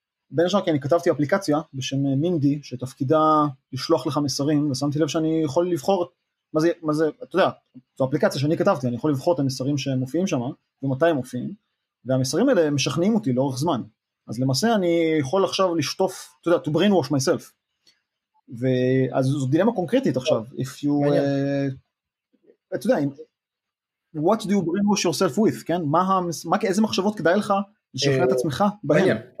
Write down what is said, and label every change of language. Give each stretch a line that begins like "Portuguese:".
Hebrew: בין השאר, כי אני כתבתי אפליקציה בשם מינדי, שתפקידה לשלוח לך מסרים, ושמתי לב שאני יכול לבחור, מה זה, אתה יודע, זו אפליקציה שאני כתבתי, אני יכול לבחור את המסרים שמופיעים שם, ומתי הם מופיעים, והמסרים האלה משכנעים אותי לאורך זמן. אז למעשה אני יכול עכשיו לשטוף, אתה יודע,
English: to brainwash myself.
Hebrew: ואז זו דילמה קונקרטית עכשיו.
English: If you,
Hebrew: אתה יודע,
English: what do you brainwash yourself with, כן?
Hebrew: איזה מחשבות כדאי לך לשכנע את עצמך בהן?